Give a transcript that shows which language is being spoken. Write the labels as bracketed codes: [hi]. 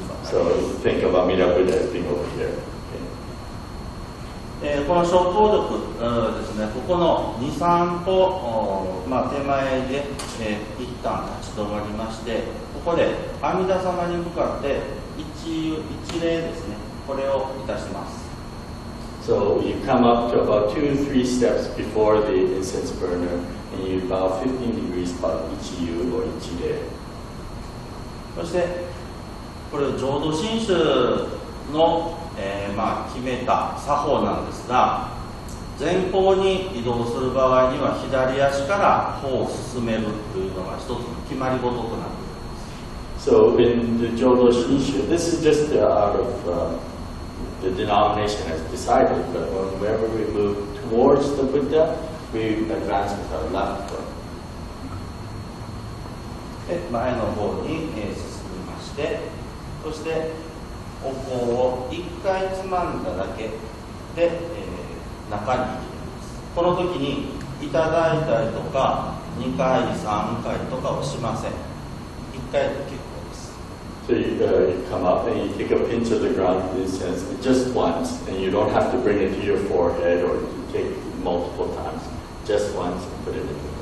[en] So think of Amida Buddha as being over here. [ja] この小光力ですね、ここの2、3歩、まあ、手前で、一旦立ち止まりまして、ここで阿弥陀様に向かって一礼ですね、これをいたします。 [en] So you come up to about 2-3 steps before the incense burner, and you bow 15 degrees by 一遊 or 一礼。 [ja] そして、これは浄土真宗の、まあ、決めた作法なんですが、前方に移動する場合には左足から歩を進めるというのが一つの決まり事となっています。 [en] So in the 浄土真宗, this is just out of the denomination has decided, but whenever we move towards the Buddha, we advance with our left foot. [ja] 前の方に、進みまして、そして、お香を一回つまんだだけで、中に入れます。この時に、いただいたりとか、2回、3回とかをしません。一回で結構です。 [en] So you come up and you take a pinch of the ground in this sense, just once, and you don't have to bring it to your forehead or you take it multiple times, just once and put it in the ground.